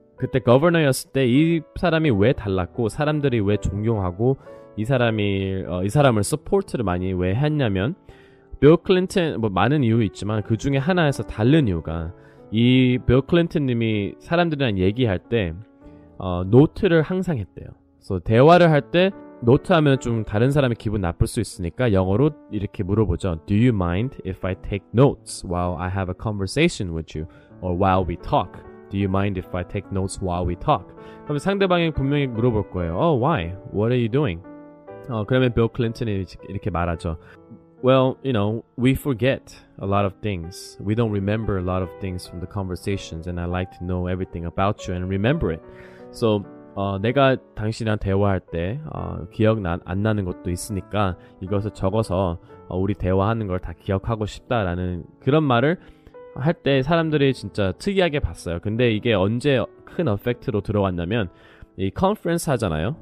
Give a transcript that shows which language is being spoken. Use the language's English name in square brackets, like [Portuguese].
[Korean] 그때 governor였을 때 이 사람이 왜 달랐고 사람들이 왜 존경하고 이 사람을 support를 많이 왜 했냐면, 빌 클린턴 뭐 많은 이유 있지만 그 중에 하나에서 다른 이유가 이 빌 클린턴님이 사람들이랑 얘기할 때 노트를 항상 했대요. 그래서 대화를 할 때 노트하면 좀 다른 사람의 기분 나쁠 수 있으니까 영어로 이렇게 물어보죠. [English] Do you mind if I take notes while I have a conversation with you or while we talk? Do you mind if I take notes while we talk? [Korean] 그럼 상대방이 분명히 물어볼 거예요. [English] Oh, why? What are you doing? [Korean] 그러면 빌 클린턴이 이렇게 말하죠. [English] Well, you know, we forget a lot of things. We don't remember a lot of things from the conversations, and I like to know everything about you and remember it. [Korean] So, 내가 당신이랑 대화할 때 기억 안 나는 것도 있으니까 이것을 적어서 우리 대화하는 걸 다 기억하고 싶다라는 그런 말을 할 때 사람들이 진짜 특이하게 봤어요. 근데 이게 언제 큰 어펙트로 들어왔냐면 이 컨퍼런스 하잖아요.